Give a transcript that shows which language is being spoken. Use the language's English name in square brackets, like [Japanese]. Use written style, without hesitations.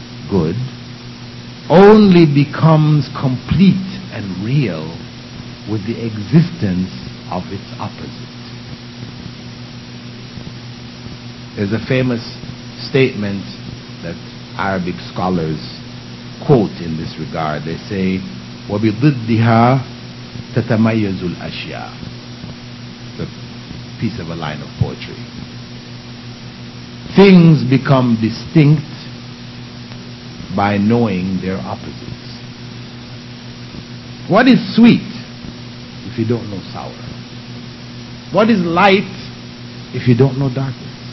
[English] Good only becomes complete and real with the existence of its opposite. There's a famous statement that Arabic scholars quote in this regard. They say, [Arabic] وَبِضِدِّهَا تَتَمَيَّزُ الْأَشْيَاءَ. [English] It's a piece of a line of poetry. Things become distinct by knowing their opposites. What is sweet if you don't know sour? What is light if you don't know darkness?